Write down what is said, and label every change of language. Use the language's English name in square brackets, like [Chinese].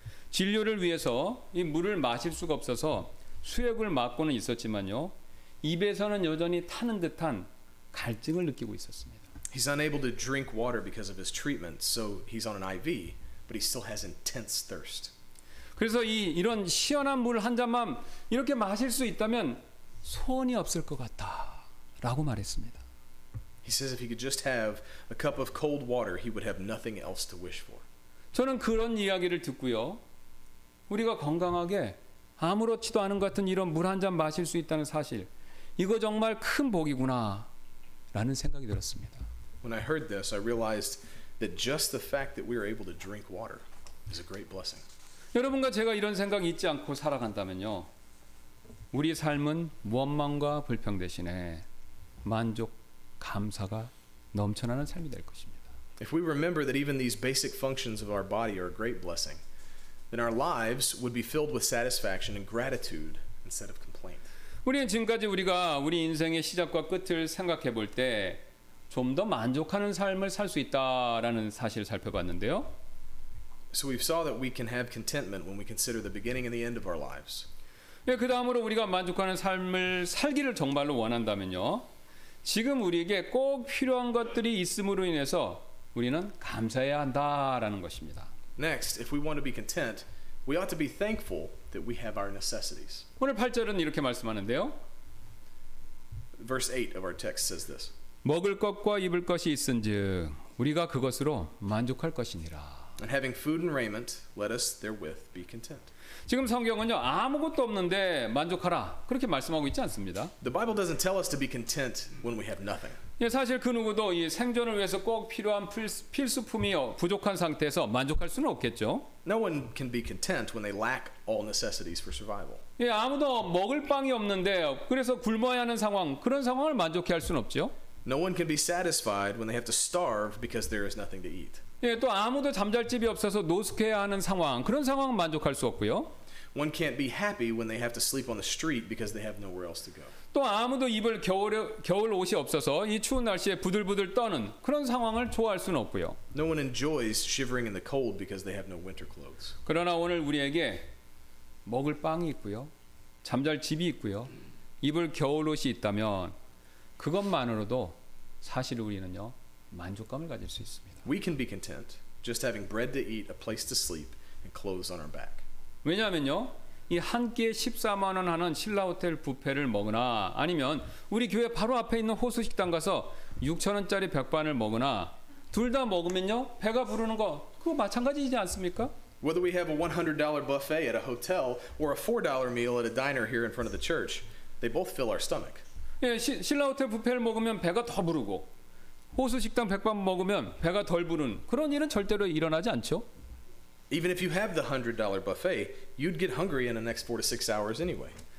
[Korean] 진료를 위해서 이 물을 마실 수가 없어서 수액을 맞고는 있었지만요, 입에서는 여전히 타는 듯한 갈증을 느끼고 있었습니다. [English] He's unable to drink water because of his treatment, so he's on an IV. But he still has intense thirst. [Korean] 그래서 이런 시원한 물 한 잔만 이렇게 마실 수 있다면 소원이 없을 것 같다라고 말했습니다. [English] He says if he could just have a cup of cold water, he would have nothing else to wish for. [Korean] 저는 그런 이야기를 듣고요. 우리가 건강하게 아무렇지도 않은 것 같은 이런 물 한 잔 마실 수 있다는 사실, 이거 정말 큰 복이구나라는 생각이 들었습니다. [English] When I heard this, I realized that just the fact that we are able to drink water is a great blessing. [Korean] 여러분과 제가 이런 생각 잊지 않고 살아간다면요, 우리 삶은 원망과 불평 대신에 만족 감사가 넘쳐나는 삶이 될 것입니다. [English] If we remember that even these basic functions of our body are a great blessing, then our lives would be filled with satisfaction and gratitude instead of complaint. [Korean] 우리는 지금까지 우리가 우리 인생의 시작과 끝을 생각해 볼 때 좀 더 만족하는 삶을 살 수 있다라는 사실을 살펴봤는데요. [English] So we saw that we can have contentment when we consider the beginning and the end of our lives. [Korean] 예, 그 다음으로 우리가 만족하는 삶을 살기를 정말로 원한다면요, 지금 우리에게 꼭 필요한 것들이 있음으로 인해서 우리는 감사해야 한다라는 것입니다. [English] Next, if we want to be content, we ought to be thankful that we have our necessities. [Korean] 오늘 8절은 이렇게 말씀하는데요. [English] Verse 8 of our text says this. [Korean] 먹을 것과 입을 것이 있은즉 우리가 그것으로 만족할 것이니라. [English] And having food and raiment, let us therewith be content. [Korean] 지금 성경은요, 아무것도 없는데 만족하라 그렇게 말씀하고 있지 않습니다. [English] The Bible doesn't tell us to be content when we have nothing. [Korean] 예, 사실 그 누구도 이 생존을 위해서 꼭 필요한 필수품이 부족한 상태에서 만족할 수는 없겠죠. [English] No one can be content when they lack all necessities for survival. [Korean] 예, 아무도 먹을 빵이 없는데 그래서 굶어야 하는 상황, 그런 상황을 만족해 할 수는 없죠. [English] No one can be satisfied when they have to starve because there is nothing to eat. [Korean] 예, 또 아무도 잠잘 집이 없어서 노숙해야 하는 상황, 그런 상황은 만족할 수 없고요. [English] One can't be happy when they have to sleep on the street because they have nowhere else to go. [Korean] 또 아무도 입을 겨울 옷이 없어서 이 추운 날씨에 부들부들 떠는 그런 상황을 좋아할 수는 없고요. [English] No one enjoys shivering in the cold because they have no winter clothes. [Korean] 그러나 오늘 우리에게 먹을 빵이 있고요, 잠잘 집이 있고요, 입을 겨울 옷이 있다면 그것만으로도 사실 우리는요 만족감을 가질 수 있습니다. [English] We can be content just having bread to eat, a place to sleep, and clothes on our back. [Korean] 왜냐하면요, 이 한 끼에 14만 원 하는 신라 호텔 뷔페를 먹으나 아니면 우리 교회 바로 앞에 있는 호수 식당 가서 6천 원짜리 백반을 먹으나 둘 다 먹으면요 배가 부르는 거 그거 마찬가지이지 않습니까? [English] Whether we have a $100 buffet at a hotel or a $4 meal at a diner here in front of the church, they both fill our stomach. [Korean] 예, 신라 호텔 뷔페를 먹으면 배가 더 부르고 호수 식당 백반 먹으면 배가 덜 부른 그런 일은 절대로 일어나지 않죠. [English] Even if you have the $100 buffet, you'd get hungry in the next 4 to 6 hours anyway.